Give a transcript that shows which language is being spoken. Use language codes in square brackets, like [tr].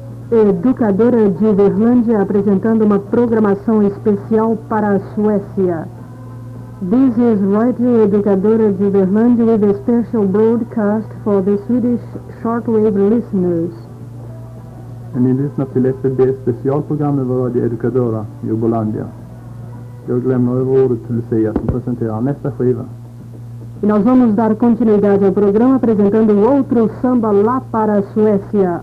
[pt] Educadora de Uberlândia apresentando uma programação especial para a Suécia. [en] This is Radio Educadora de Uberlândia with a special broadcast for the Swedish shortwave listeners. [sv] Ni lyssnar till SVBs specialprogram över Radio Educadora i Uberlândia. Jag lämnar över ordet till Lucia som presenterar nästa skiva. [pt] E nós vamos dar continuidade ao programa apresentando outro samba lá para a Suécia.